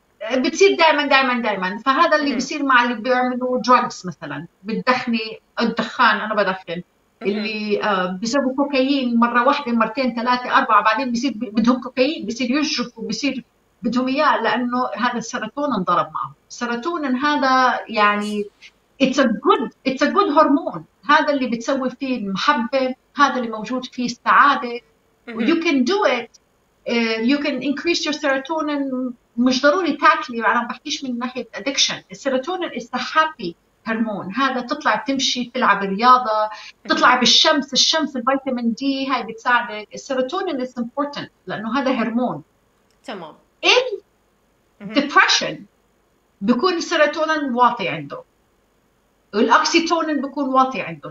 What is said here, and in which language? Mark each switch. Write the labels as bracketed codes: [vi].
[ar] بتصير دائما دائما دائما. فهذا اللي بيصير مع اللي بيعملوا دراجز مثلا، بتدخني الدخان، انا بدخن، اللي بيسووا كوكايين مره واحده مرتين ثلاثه اربعه، بعدين بيصير بدهم كوكايين، بيصير يشرب وبيصير بدهم اياه، لانه هذا السيروتون انضرب معه. السيروتون هذا يعني [en] it's a good [ar] هرمون، هذا اللي بتسوي فيه المحبه، هذا اللي موجود فيه السعاده. [en] You can do it, you can increase your serotonin. [ar] مش ضروري تاكلي، انا ما بحكيش من ناحيه ادكشن. السيروتونين [en] is a happy [ar] هرمون، هذا تطلع تمشي، تلعب رياضه، تطلع بالشمس، الشمس الفيتامين دي هاي بتساعدك. السيروتونين [en] is important [ar] لانه هذا هرمون. تمام. ال depression بيكون السيروتونين واطي عنده، والاكسيتونين بيكون واطي عنده.